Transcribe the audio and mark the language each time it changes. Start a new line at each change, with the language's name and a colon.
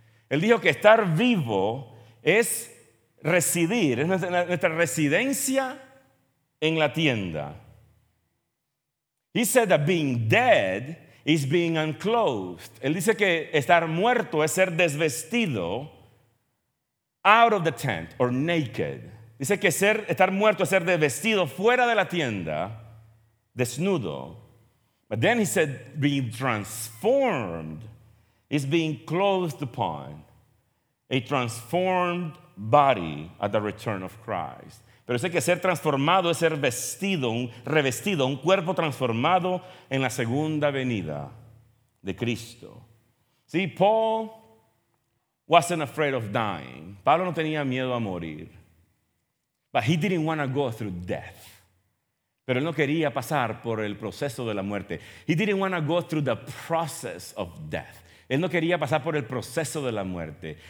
Spanish: Él dijo que estar vivo es residir, es nuestra residencia en la tienda.
English: He said that being dead is being unclothed.
Spanish: Él dice que estar muerto es ser desvestido,
English: out of the tent or naked.
Spanish: Dice que estar muerto es ser desvestido fuera de la tienda, desnudo.
English: But then he said being transformed is being clothed upon, a transformed body at the return of Christ.
Spanish: Pero dice que ser transformado es ser vestido, revestido, un cuerpo transformado en la segunda venida de Cristo.
English: See, Paul wasn't afraid of dying.
Spanish: Pablo no tenía miedo a morir.
English: But he didn't want to go through death.
Spanish: Pero él no quería pasar por el proceso de la muerte.
English: He didn't want to go through the process of death.
Spanish: Él no quería pasar por el proceso de la muerte.